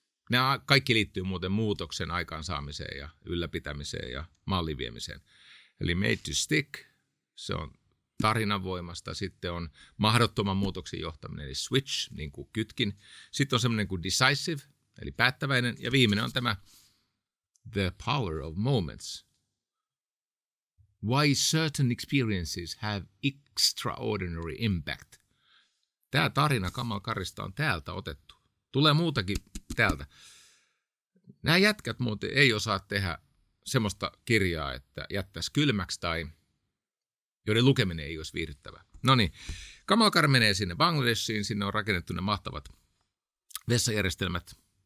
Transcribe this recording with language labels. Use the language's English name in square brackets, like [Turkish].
[Finnish] Nämä kaikki liittyy muuten muutoksen aikaansaamiseen ja ylläpitämiseen ja mallin viemiseen. Eli made to stick, se on tarinan voimasta. Sitten on mahdottoman muutoksen johtaminen, eli switch, niin kuin kytkin. Sitten on semmoinen kuin decisive, eli päättäväinen. Ja viimeinen on tämä the power of moments. [English] Why certain experiences have extraordinary impact. [Finnish] Tämä tarina Kamal Karista on täältä otettu. Tulee muutakin täältä. Nämä jätkät muuten ei osaa tehdä semmoista kirjaa, että jättäisi kylmäksi tai joiden lukeminen ei olisi viihdyttävä. No niin, Kamal Kar menee sinne Bangladeshiin, sinne on rakennettu ne mahtavat vessajärjestelmät.